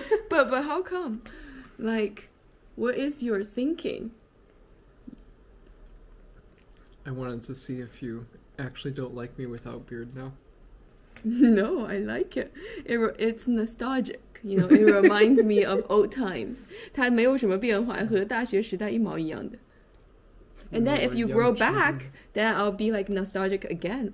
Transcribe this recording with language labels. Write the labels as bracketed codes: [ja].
[en] but how come? Like, what is your thinking? I wanted to see if you actually don't like me without beard now. No, I like it. It's nostalgic. You know, it reminds me of old times. [zh] 它没有什么变化，和大学时代一毛一样的。 [en] And then if you grow back, then I'll be like nostalgic again.